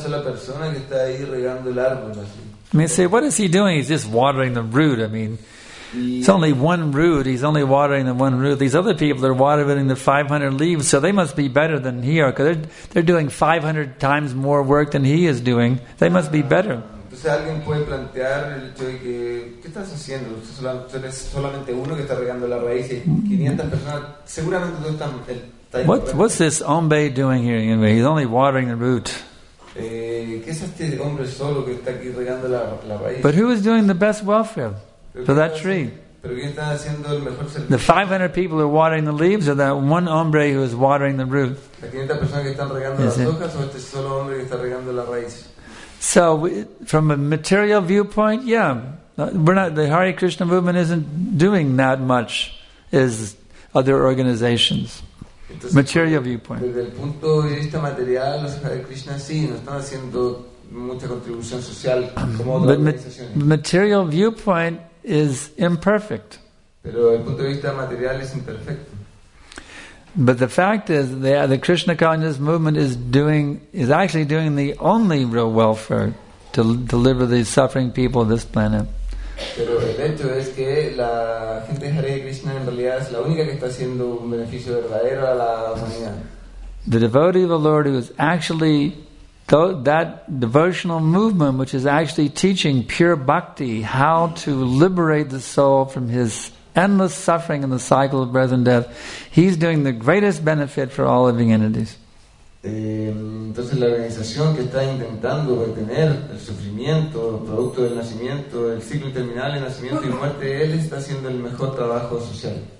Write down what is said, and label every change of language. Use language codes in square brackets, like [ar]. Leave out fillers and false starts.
[en] I mean, say, what is he doing? He's just watering the root. I mean, it's only one root, he's only watering the one root. These other people are watering the 500 leaves, so they must be better than he are, because they're doing 500 times more work than he is doing. They must be better. [es] Entonces alguien puede plantear el hecho de que, ¿qué estás haciendo? Eres solamente uno que está regando la raíz y 500 personas, seguramente tú estás... [en] What's this hombre doing here anyway? He's only watering the root. [es] ¿Qué es este hombre solo que está aquí regando la raíz? [en] But who is doing the best welfare for that tree? [es] ¿Pero quién está haciendo el mejor servicio? [en] The 500 people who are watering the leaves or that one hombre who is watering the root? [es] ¿La 500 personas que están regando las hojas o este solo hombre que está regando la raíz? [en] So, from a material viewpoint, yeah, we're not, the Hare Krishna movement isn't doing that much as other organizations. [es] Entonces, [en] material viewpoint. [es] Desde el punto de vista material, los Hare Krishna sí, no están haciendo mucha contribución social como otras organizaciones. [en] But material viewpoint is imperfect. [es] Pero el punto de vista material es imperfecto. [en] But the fact is that the Krishna consciousness movement is actually doing the only real welfare to deliver the suffering people of this planet. [es] Pero el hecho es que la gente de Hare Krishna en realidad es la única que está haciendo un beneficio verdadero a la humanidad. [en] The devotee of the Lord who is actually that devotional movement which is actually teaching pure bhakti how to liberate the soul from his endless suffering in the cycle of birth and death, he's doing the greatest benefit for all living entities. [es] Entonces la organización que está intentando retener el sufrimiento producto del nacimiento, el ciclo interminable de nacimiento y muerte, él está haciendo el mejor trabajo social.